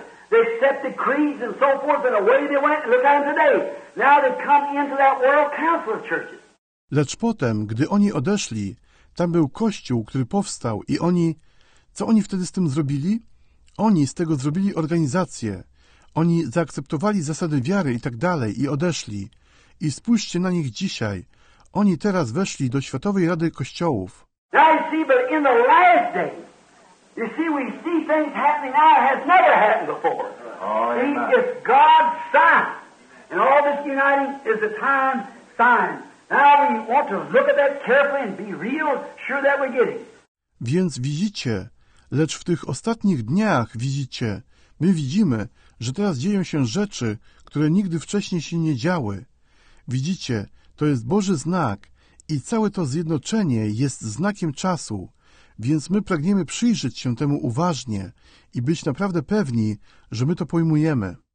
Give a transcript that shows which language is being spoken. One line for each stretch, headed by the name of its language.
English: They set the creeds and so forth, and away they went. Look at them today. Now they've come into that world council of churches.
Polish: Lecz potem, gdy oni odeszli, tam był kościół, który powstał, i oni, co oni wtedy z tym zrobili? Oni z tego zrobili organizację. Oni zaakceptowali zasady wiary i tak dalej i odeszli. I spójrzcie na nich dzisiaj. Oni teraz weszli do Światowej Rady Kościołów.
English: Now you see, but in the last day, you see, we see things happening now that has never happened before. Oh, see, it's God's sign. And all this uniting is a time sign. Now we want to look at that carefully and be real sure that we're getting.
Polish: Więc widzicie, lecz w tych ostatnich dniach widzicie, my widzimy, że teraz dzieją się rzeczy, które nigdy wcześniej się nie działy. Widzicie, to jest Boży znak i całe to zjednoczenie jest znakiem czasu, więc my pragniemy przyjrzeć się temu uważnie i być naprawdę pewni, że my to pojmujemy.